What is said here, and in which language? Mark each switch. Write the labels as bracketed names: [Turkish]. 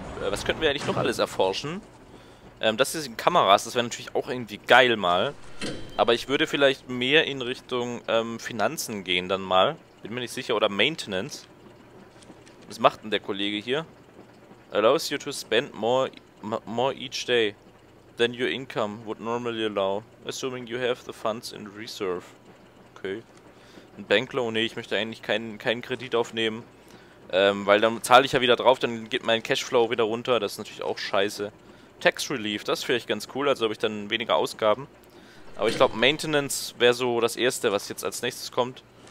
[German] Was könnten wir eigentlich noch alles erforschen? Das hier sind Kameras, das wäre natürlich auch irgendwie geil mal. Aber ich würde vielleicht mehr in Richtung Finanzen gehen dann mal. Bin mir nicht sicher. Oder Maintenance. Was macht denn der Kollege hier? [English] Allows you to spend more each day than your income would normally allow. Assuming you have the funds in reserve. [German] Okay. Ein Bankloan? Nee, ich möchte eigentlich keinen Kredit aufnehmen. Weil dann zahle ich ja wieder drauf, dann geht mein Cashflow wieder runter. Das ist natürlich auch scheiße. Tax Relief, das finde ich ganz cool. Also habe ich dann weniger Ausgaben. Aber ich glaube, Maintenance wäre so das Erste, was jetzt als Nächstes kommt.